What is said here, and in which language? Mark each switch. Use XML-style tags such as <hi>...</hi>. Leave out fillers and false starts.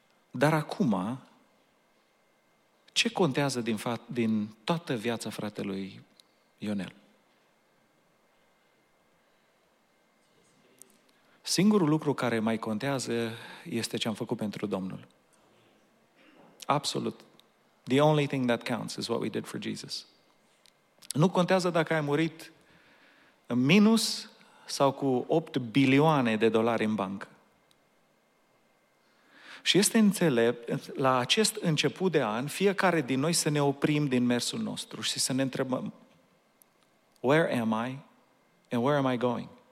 <ro>Dar acum, ce contează din toată viața fratelui Ionel? Singurul lucru care mai contează este ce am făcut pentru Domnul. Absolut.</ro> <en>The only thing that counts is what we did for Jesus.</en> <ro>Nu contează dacă ai murit în minus sau cu</ro> <en>$8 billion</en> <ro>în bancă. Și este înțelept, la acest început de an, fiecare din noi să ne oprim din mersul nostru și să ne întrebăm,</ro> <en>where am I and where am I going?</en>